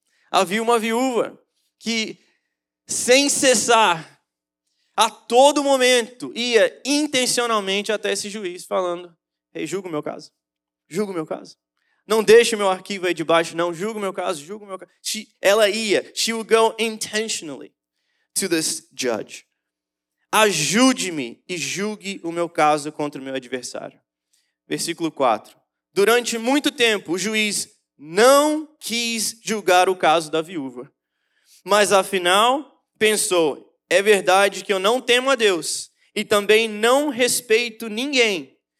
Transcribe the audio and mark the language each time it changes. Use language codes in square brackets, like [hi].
[pt] Havia uma viúva que, sem cessar, a todo momento, ia intencionalmente até esse juiz, falando: ei, julga o meu caso, julga o meu caso. Não deixe o meu arquivo aí debaixo, não, julga o meu caso, julga o meu caso. Ela ia, [en] she would go intentionally to this judge. [pt] Ajude-me e julgue o meu caso contra o meu adversário. Versículo 4. Durante muito tempo, o juiz não quis julgar o caso da viúva. Mas, afinal, pensou: é verdade que eu não temo a Deus e também não respeito ninguém.